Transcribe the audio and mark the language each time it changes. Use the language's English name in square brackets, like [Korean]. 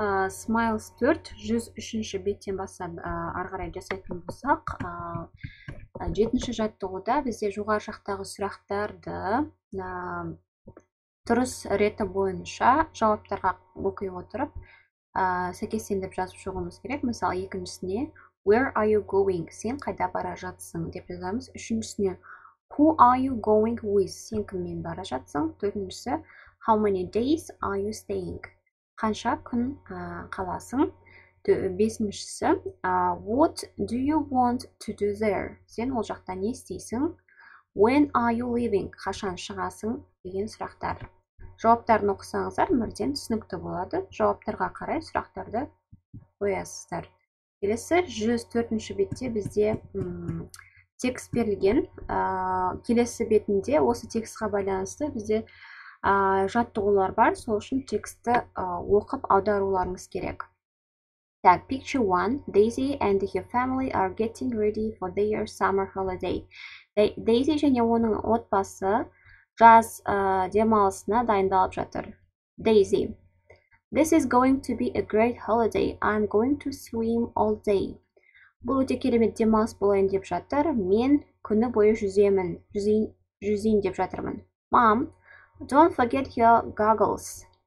[Kazakh] Smiles 4 103-ші беттен бастап арғарай жасайтын болсақ, 7-ші жаттығуда бізде жоғары жақтағы сұрақтарды дұрыс реті бойынша жауаптарға оқи отырып, сәйкестендіріп жазып шығуымыз керек. Мысалы, екіншісіне [English] Where are you going? [Kazakh] Сен қайда бара жатсың? Деп жазамыз. Үшіншісіне [English] Who are you going with? Сен кіммен бара жатсың? [Kazakh] Төртіншісі [English] How many days are you staying? [Kazakh] Қанша күн қаласың? Бесіншісі [English] What do you want to do there? [Kazakh] Сен ол жақта не істейсің? [English] When are you leaving? [Kazakh] Қашан шығасың? Деген сұрақтар. Жауаптарын оқысаңыздар, мүлдем түсінікті болады. Жауаптарға қарай сұрақтарды қоясыздар. Келесі 104-ші бетте бізде текст берілген. Келесі бетінде осы текстқа байланысты бізде жаттығулар бар. Сол үшін тексті оқып аударуларыңыз керек. [English] Так, picture 1. Daisy and her family are getting ready for their summer holiday. [Kazakh] Daisy және оның отбасы жаз демалысына дайындалып жатыр. [English] Daisy. This is going to be a great holiday. I'm going to swim all day. [Kazakh] Бұл өте керемет демалыс болайын деп жатыр. Мен күні бойы жүземін. Жүзейін деп жатырмын. [English] Mom, don't forget your goggles.